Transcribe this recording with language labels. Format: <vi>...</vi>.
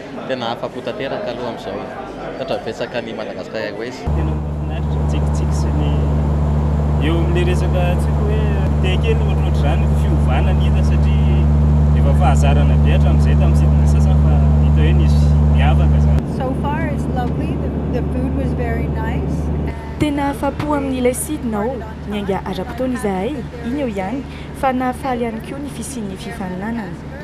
<mg>Tena afa-po tanteraka aloha amin'izao tatra betsaka ny Madagasikara Airways. Tena mahafinaritra tsikitsiky sy ny eo amin'ny resaka tsika hoe tekely ohatrohatra izany fiovanana hita satria efa fahazarana be hatra amin'izay tamin'ny sidina sasa fa hita hoe nisy miavaka izany.</mg> <en>So far it's lovely, the food was very nice.</en> <mg>Tena afa-po amin'ilay sidina ao, ny anga ara-potoana izahay, iny eo ihany, fa nahafaly ihany koa ny fisian'ny fifaninanana.</mg>